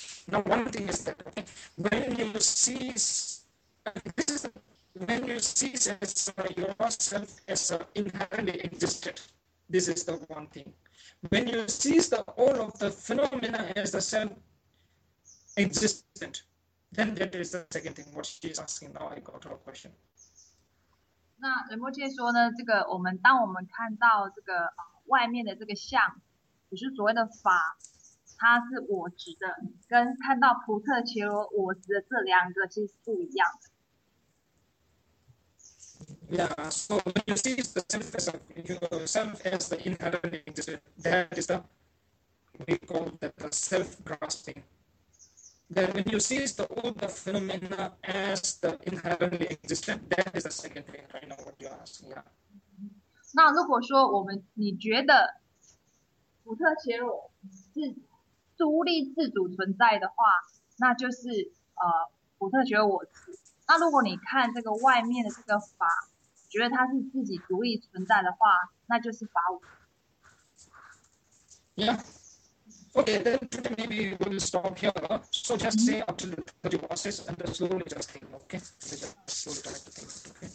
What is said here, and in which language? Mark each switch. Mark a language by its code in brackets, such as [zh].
[en] Now, one thing is that okay, when you see yourself as inherently existed, this is the one thing. When you see all of the phenomena as the self-existent, then that is the second thing what she is asking now. I got her question. [zh] 那仁波切说呢，这个当我们看到这个外面的这个相，也是所谓的法，它是我执的，跟看到普特伽罗我执的这两个其实是不一样的。 [en] So when you see yourself as the inherent existence, that is the we call that the self-grasping. Then when you see all the phenomena as the inherently existent, that is the second thing I know what you're asking. [zh] 那如果说你觉得普特伽罗是独立自主存在的话，那就是普特伽罗我执。那如果你看这个外面的这个法，觉得它是自己独立存在的话，那就是法我。 [en] Okay, then today maybe we'll stop here. So just say up to the process and slowly just think, okay? Just slowly try to think, okay?